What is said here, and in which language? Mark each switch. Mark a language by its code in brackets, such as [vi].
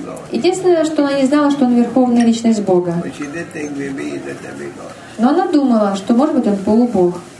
[ru] Единственное, что она не знала, что он верховная личность Бога. [en] But she did think maybe he's a demigod. [ru] Но она думала, что, может быть, он полубог.